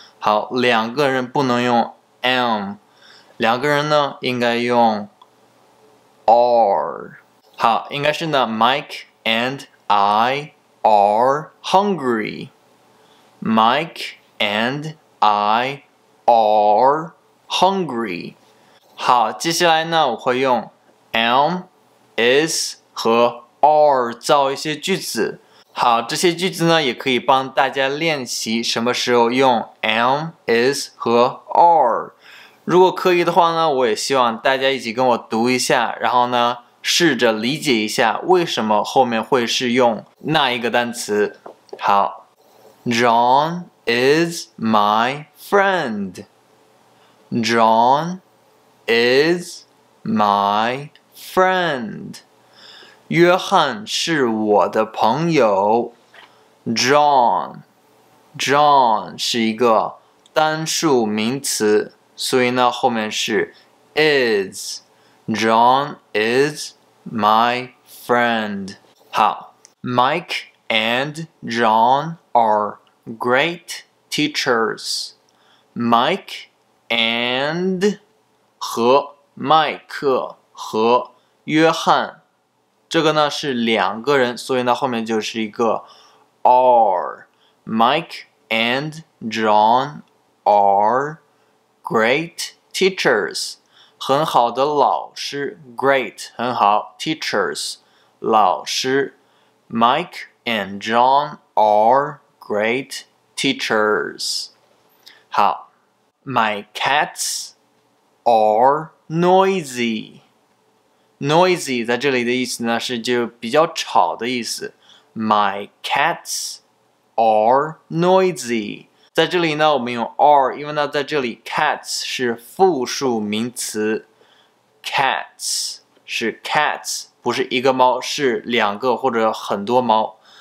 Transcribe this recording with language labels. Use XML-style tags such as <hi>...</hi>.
<zh>好，两个人不能用am， 两个人呢应该用 are。</zh> <en>好，</en> <zh>应该是呢</zh> <en>Mike and I are hungry， Mike and I are hungry。</en> <zh>好，接下来呢我会用 am、 is 和 are 造一些句子。好，这些句子呢也可以帮大家练习什么时候用 am、 is 和 are。如果可以的话呢，我也希望大家一起跟我读一下，然后呢试着理解一下为什么后面会是用那一个单词。</zh> <en>好， John is my friend， John is my friend，</en> <zh>约翰是我的朋友。 John 是一个单数名词，所以呢后面是 is，</zh> <en>John is my friend。</en> <zh>好，</zh> <en>Mike and John are great teachers，</en> <zh>Mike and 和麦克和约翰，这个呢是两个人，所以呢后面就是一个 are，</zh> <en>Mike and John areGreat teachers，</en> <zh>很好的老师。 Great 很好 ，teachers 老师。</zh> <en>Mike and John are great teachers。好 ，My cats are noisy。</en> <zh>Noisy 在这里的意思呢是就比较吵的意思。</zh> <en>My cats are noisy。</en> <zh>在这里呢我们用 are， 因为呢在这里 cats 是复数名词， cats 是 cats， 不是一个猫，是两个或者很多猫。</zh>